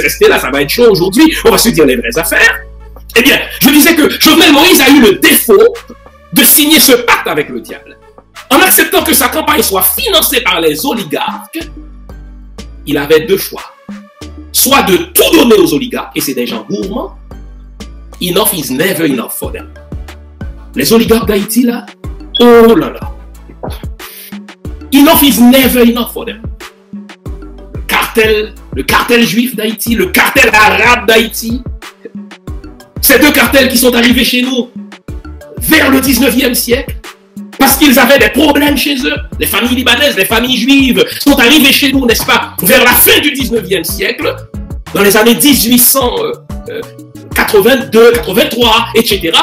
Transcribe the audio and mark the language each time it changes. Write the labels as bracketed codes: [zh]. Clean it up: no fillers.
[fr] Restez là, ça va être chaud aujourd'hui, on va se dire les vraies affaires. Eh bien, je disais que Jovenel Moïse a eu le défaut de signer ce pacte avec le diable. En acceptant que sa campagne soit financée par les oligarques, il avait deux choix. Soit de tout donner aux oligarques, et c'est des gens gourmands. [en] Enough is never enough for them. [fr] Les oligarques d'Haïti, là, oh là là. [en] Enough is never enough for them. [fr] Le cartel juif d'Haïti, le cartel arabe d'Haïti, ces deux cartels qui sont arrivés chez nous vers le 19e siècle, parce qu'ils avaient des problèmes chez eux. Les familles libanaises, les familles juives sont arrivées chez nous, n'est-ce pas, vers la fin du 19e siècle, dans les années 1882, 83, etc.